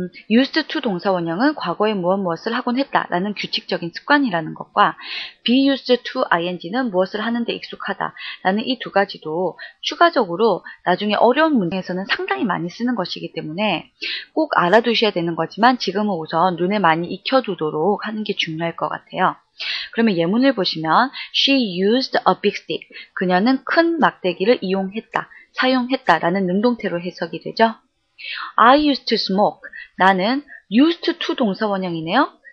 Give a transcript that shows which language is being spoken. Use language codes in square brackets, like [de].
[ko] used to 동사원형은 과거에 무엇 무엇을 하곤 했다라는 규칙적인 습관이라는 것과 be used to ing는 무엇을 하는데 익숙하다라는 이 두 가지도 추가적으로 나중에 어려운 문장에서는 상당히 많이 쓰는 것이기 때문에 꼭 알아두셔야 되는 거지만 지금은 우선 눈에 많이 익혀두도록 하는 게 중요할 것 같아요. 그러면 예문을 보시면 [en] she used a big stick. [ko] 그녀는 큰 막대기를 이용했다, 사용했다라는 능동태로 해석이 되죠. [en] I used to smoke. [ko] 나는 used to 동사원형이네요.